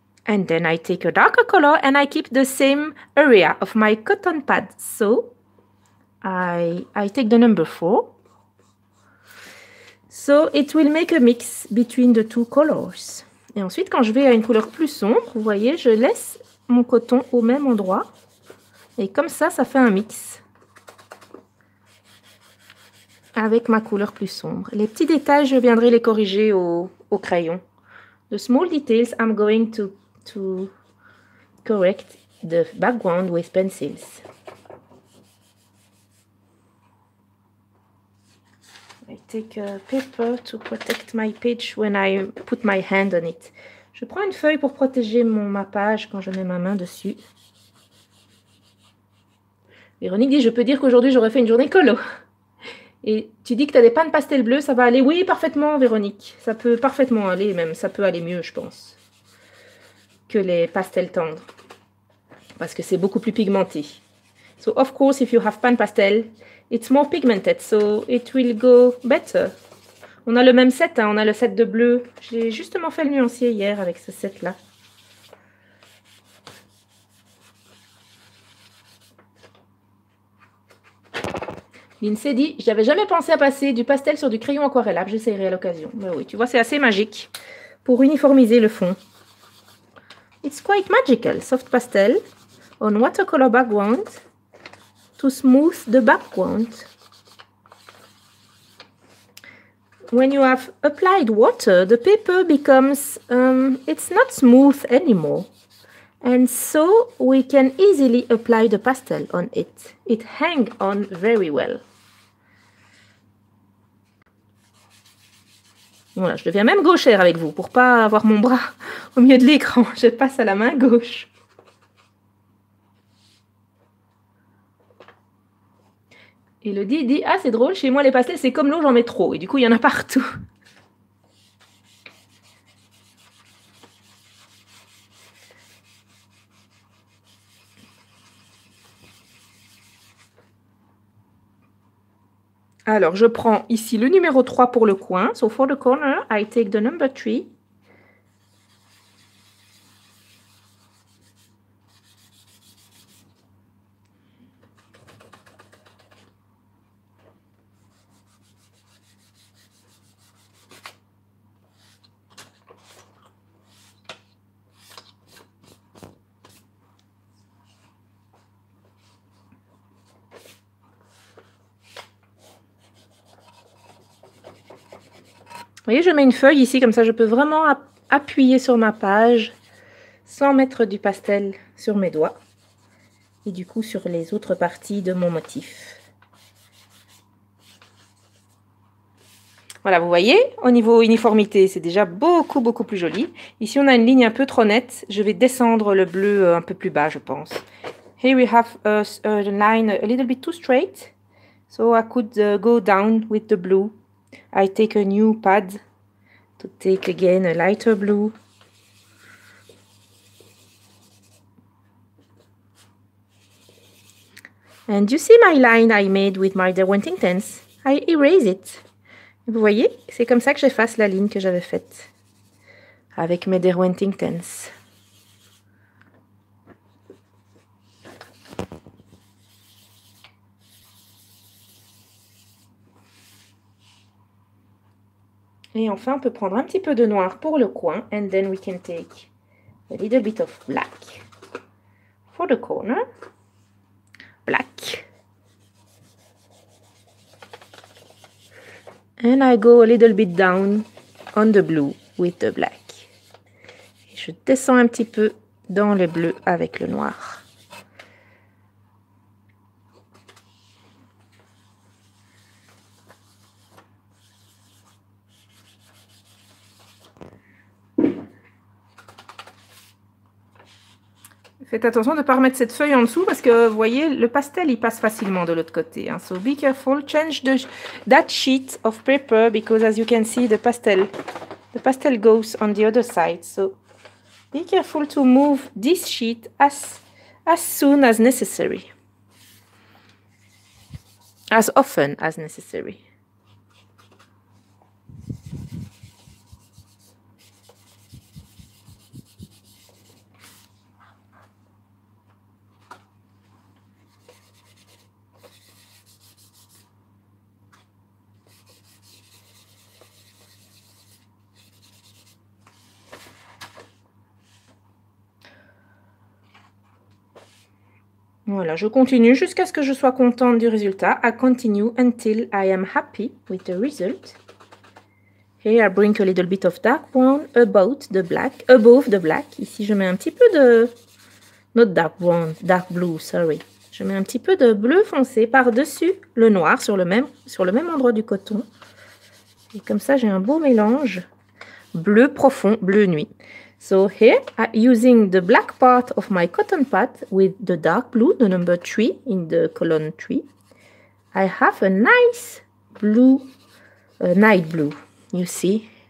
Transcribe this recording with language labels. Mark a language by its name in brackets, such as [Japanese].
[English] And then I take a darker color and I keep the same area of my cotton pad. So, I take the number 4. So, it will make a mix between the two colors. [French] Et ensuite, quand je vais à une couleur plus sombre, vous voyez, je laisse mon coton au même endroit. Et comme ça, ça fait un mix avec ma couleur plus sombre. Les petits détails, je viendrai les corriger au crayon. [English] The small details, I'm going to correct the background with pencils. I take a paper to protect my page when I put my hand on it. [French] Je prends une feuille pour protéger ma page quand je mets ma main dessus. Véronique dit, je peux dire qu'aujourd'hui j'aurais fait une journée colo. Et tu dis que tu as des pannes pastel bleu, ça va aller. Oui, parfaitement Véronique. Ça peut parfaitement aller même, ça peut aller mieux je pense que les pastels tendres, parce que c'est beaucoup plus pigmenté. [English] So of course, if you have pan pastel, it's more pigmented, so it will go better. [French] On a le même set, hein, on a le set de bleu. J'ai justement fait le nuancier hier avec ce set-là. Lindsay dit, j'avais jamais pensé à passer du pastel sur du crayon aquarellable, j'essaierai à l'occasion. Mais oui, tu vois, c'est assez magique pour uniformiser le fond. [English] It's quite magical, soft pastel on watercolor background to smooth the background. When you have applied water, the paper becomes, it's not smooth anymore. And so we can easily apply the pastel on it. It hangs on very well. [French] Voilà, je deviens même gauchère avec vous pour pas avoir mon bras au milieu de l'écran. Je passe à la main gauche. Elodie dit, ah c'est drôle, chez moi les pastels c'est comme l'eau, j'en mets trop. Et du coup, il y en a partout. Alors, je prends ici le numéro 3 pour le coin. [English] So, for the corner, I take the number 3. [French] Vous voyez, je mets une feuille ici, comme ça je peux vraiment appuyer sur ma page sans mettre du pastel sur mes doigts et du coup sur les autres parties de mon motif. Voilà, vous voyez, au niveau uniformité, c'est déjà beaucoup, beaucoup plus joli. Ici, on a une ligne un peu trop nette. Je vais descendre le bleu un peu plus bas, je pense. [English] Here we have a line a little bit too straight. So I could go down with the blue. I take a new pad to take again a lighter blue. And you see my line I made with my Derwent Intense. I erase it. [French] Vous voyez, c'est comme ça que j'efface la ligne que j'avais faite avec mes Derwent Intense. Et enfin, on peut prendre un petit peu de noir pour le coin. [English] And then we can take a little bit of black for the corner. Black. And I go a little bit down on the blue with the black. [French] Et je descends un petit peu dans le bleu avec le noir. Faites attention de ne pas remettre cette feuille en dessous parce que vous voyez, le pastel il passe facilement de l'autre côté. Hein. [English] So be careful, change the, that sheet of paper because as you can see, the pastel goes on the other side. So be careful to move this sheet as soon as necessary. As often as necessary. [French] Voilà, je continue jusqu'à ce que je sois contente du résultat. [English] I continue until I am happy with the result. Here I bring a little bit of dark brown above the black. [French] Ici, je mets un petit peu de... [English] Not dark brown, dark blue, sorry. [French] Je mets un petit peu de bleu foncé par-dessus le noir sur le même endroit du coton. Et comme ça, j'ai un beau mélange bleu profond, bleu nuit. [English] So here, using the black part of my cotton pad with the dark blue, the number 3 in the column 3, I have a nice blue, night blue, you see.